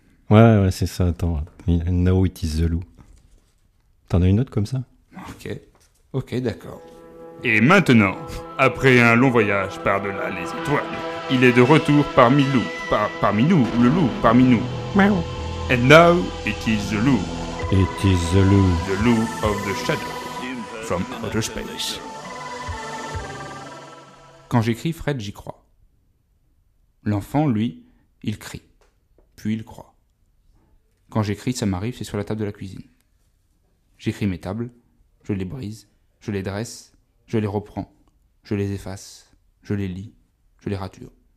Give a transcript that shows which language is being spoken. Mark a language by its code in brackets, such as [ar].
[fr] Ouais, ouais, c'est ça, attends. [en] Now it is the loup. [fr] T'en as une autre comme ça? Ok, ok, d'accord. Et maintenant, après un long voyage par-delà les étoiles, il est de retour parmi nous, parmi nous, le loup, parmi nous. Miaou. [en] And now it is the loup. It is the loup. The loup of the shadow from outer space. [fr] Quand j'écris Fred, j'y crois. L'enfant, lui, il crie. Puis il croit. Quand j'écris, ça m'arrive, c'est sur la table de la cuisine. J'écris mes tables, je les brise, je les dresse, je les reprends, je les efface, je les lis, je les rature.